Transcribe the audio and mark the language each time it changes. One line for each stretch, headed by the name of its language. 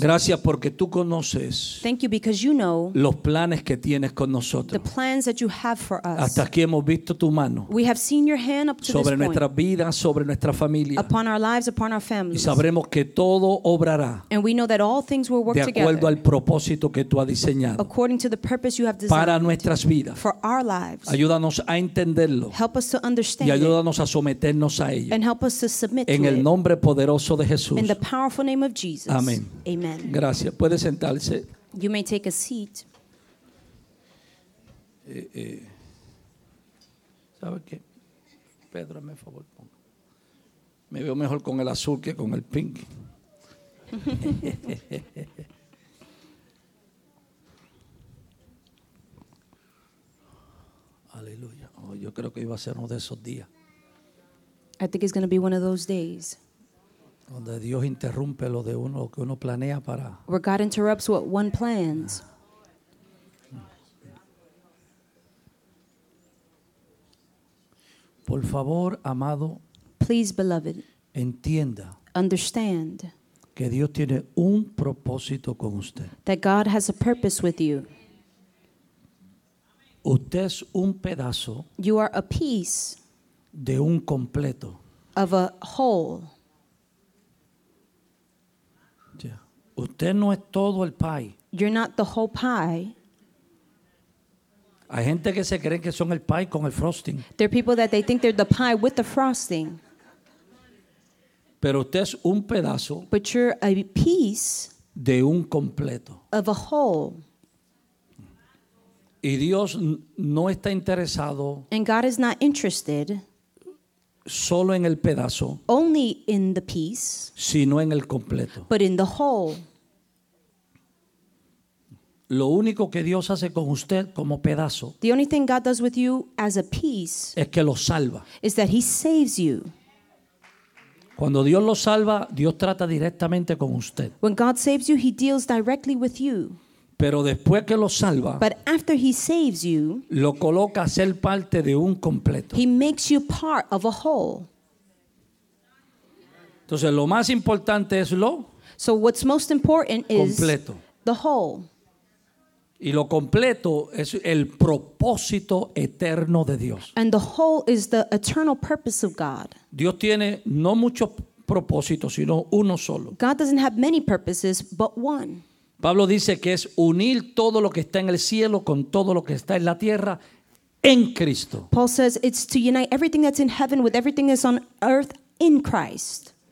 Spanish: Gracias porque tú conoces.
English: Thank you because you know.
Spanish: Los planes que tienes con nosotros.
English: The plans that you have for us.
Spanish: Hasta aquí hemos visto tu mano.
English: We have seen your hand up to this point.
Spanish: Sobre nuestras vidas, sobre nuestra familia.
English: Upon our lives, upon our families.
Spanish: Y sabremos que todo obrará.
English: And we know that all things will work together.
Spanish: De acuerdo al propósito que tú has diseñado.
English: According to the purpose you have designed.
Spanish: Para nuestras vidas.
English: For our lives.
Spanish: Ayúdanos a entenderlo.
English: Help us to understand.
Spanish: Y ayúdanos a someternos a ello.
English: And help us to submit
Spanish: en
English: to
Spanish: el
English: it.
Spanish: Nombre poderoso de Jesús.
English: In the powerful name of Jesus.
Spanish: Amén.
English: Amen.
Spanish: Gracias. Puede sentarse.
English: You may take a seat.
Spanish: ¿Sabe qué? Pedro, me favor. Me veo mejor con el azul que con el pink. Aleluya. Oh, yo creo que iba a ser uno de esos días.
English: I think it's going to be one of those days.
Spanish: Donde Dios interrumpe lo de uno, lo que uno planea para.
English: Where God interrupts what one plans.
Spanish: Por favor, amado.
English: Please, beloved.
Spanish: Entienda.
English: Understand.
Spanish: Que Dios tiene un propósito con usted.
English: That God has a purpose with you.
Spanish: Usted es un pedazo.
English: You are a piece.
Spanish: De un completo.
English: Of a whole.
Spanish: Yeah. Usted no es todo el pie.
English: You're not the whole pie.
Spanish: Hay gente que se creen que son el pie con el frosting.
English: There are people that they think they're the pie with the frosting.
Spanish: Pero usted es un pedazo.
English: But you're a piece.
Spanish: De un completo.
English: Of a whole.
Spanish: Y Dios no está interesado.
English: And God is not interested.
Spanish: Solo en el pedazo.
English: Only in the piece.
Spanish: Sino en el completo.
English: But in the whole.
Spanish: Lo único que Dios hace con usted como pedazo.
English: The only thing God does with you as a piece.
Spanish: Es que lo salva.
English: Is that he saves you.
Spanish: Cuando Dios lo salva, Dios trata directamente con usted.
English: When God saves you, he deals directly with you.
Spanish: Pero después que lo salva,
English: but after he saves you,
Spanish: lo coloca a ser parte de un completo.
English: He makes you part of a whole.
Spanish: Entonces, lo más importante es lo
English: so what's most important
Spanish: completo.
English: Is the whole.
Spanish: Y lo completo es el propósito eterno de Dios.
English: And the whole is the eternal purpose of God.
Spanish: Dios tiene no muchos propósitos, sino uno solo.
English: God doesn't have many purposes, but one.
Spanish: Pablo dice que es unir todo lo que está en el cielo con todo lo que está en la tierra en Cristo.
English: Paul says it's to unite everything that's in heaven with everything that's on earth in Christ.